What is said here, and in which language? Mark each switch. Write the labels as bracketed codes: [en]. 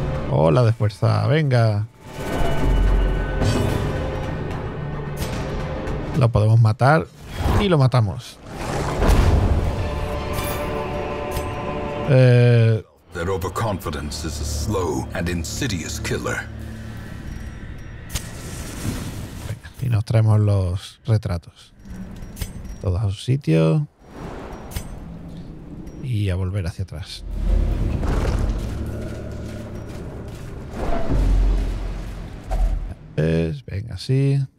[es] Ola de fuerza, venga. Lo podemos matar y lo matamos. [en] That overconfidence is a slow and insidious killer. [es] Y nos traemos los retratos. Todos a su sitio. Y a volver hacia atrás. Venga, así.